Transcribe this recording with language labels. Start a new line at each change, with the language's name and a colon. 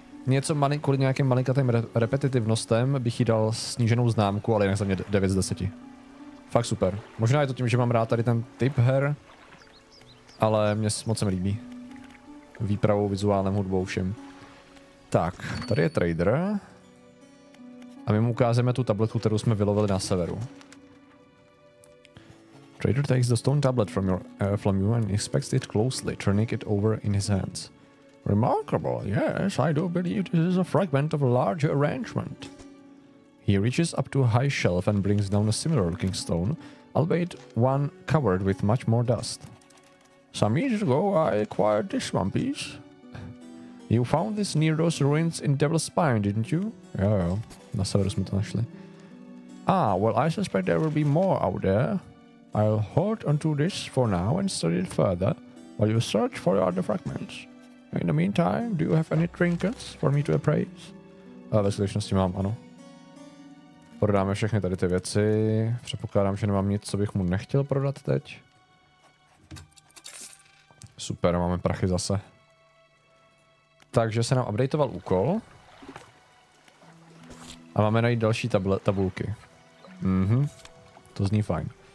Czech: Něco kvůli nějakým malinkatým repetitivnostem bych jí dal sníženou známku, ale jinak za mě 9 z 10. Fakt super. Možná je to tím, že mám rád tady ten typ her, ale mě moc se mi líbí. Výpravou, vizuálem, hudbou, všem. Tak, tady je trader. A my mu ukážeme tu tabletku, kterou jsme vylovili na severu.
English: Trader takes the stone tablet from you and inspects it closely, turning it over in his hands. Remarkable, yes, I do believe this is a fragment of a larger arrangement. He reaches up to a high shelf and brings down a similar looking stone, albeit one covered with much more dust. Some years ago, I acquired this one piece. You found this near those ruins in Devil's Spine, didn't you? Jo, na severu jsme to našli. Ah, well, I suspect there will be more out there. I'll hold onto this for now and study it further while you search for your other fragments. In the meantime, do you have any trinkets for me to appraise?
Czech: Ve skutečnosti mám, ano. Prodáme všechny tady ty věci. Předpokládám, že nemám nic, co bych mu nechtěl prodat teď. Super, máme prachy zase. Takže se nám updateoval úkol. A máme najít další tabulky. Mhm. To zní fajn.